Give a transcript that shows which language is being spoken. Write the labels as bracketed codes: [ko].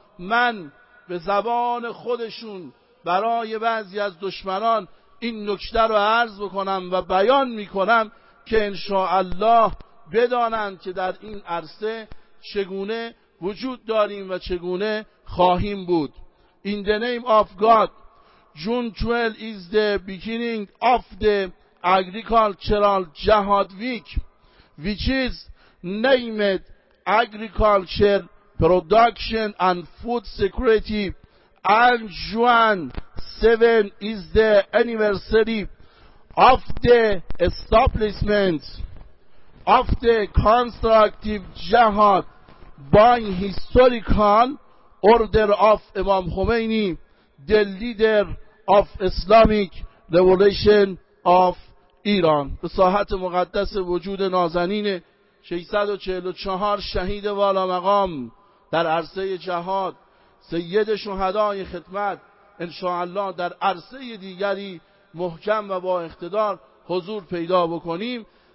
[fa] من به زبان خودشون برای بعضی از دشمنان این نکته رو عرض بکنم و بیان میکنم که انشاءالله بدانند که در این عرصه چگونه وجود داریم و چگونه خواهیم بود. [en] In the name of God, June 12 is the beginning of the Agricultural Jihad Week, which is named Agriculture Production and Food Security, and June 7 is the anniversary of the establishment of the constructive jihad by historical order of Imam Khomeini, the leader of Islamic Revolution of Iran. [fa] به ساحت مقدس وجود نازنین 644 شهید والا مقام در عرصه جهاد، سید شهدای خدمت، انشاءالله در عرصه دیگری محکم و با اقتدار حضور پیدا بکنیم.